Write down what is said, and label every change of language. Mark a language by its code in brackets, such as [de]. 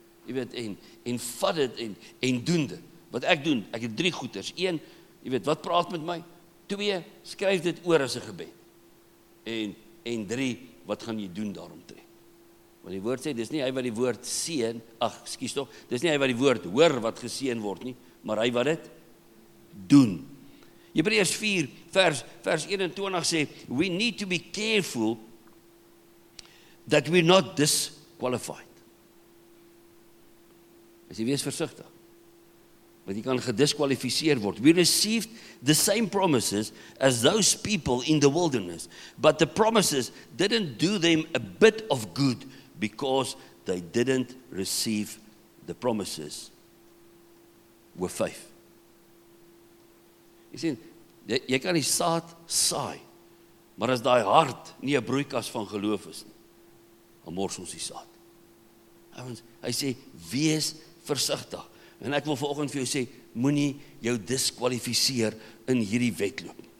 [af] Jy weet, en vat dit, en doen dit, wat ek doen, ek het drie goeders, een, jy weet, wat praat met my? Twee, skryf dit oor as 'n gebed, en drie, wat gaan jy doen daarom? Want die woord sê, dis nie hy wat die woord seën, dis nie hy wat die woord hoor wat geseën word nie, maar hy wat dit doen. Hebreërs 4 vers 21 sê, [en] we need to be careful that we're not disqualified. [af] As jy wees versigtig, want jy kan gedisqualifiseer word. [en] We received the same promises as those people in the wilderness, but the promises didn't do them a bit of good because they didn't receive the promises with faith. [af] Jy sien, jy kan die saad saai, maar as die hart nie 'n broeikas van geloof is nie, dan mors ons die saad. Hy sê, wees versigtig. En ek wil vanoggend vir jou sê, moenie jou diskwalifiseer in hierdie wedloop.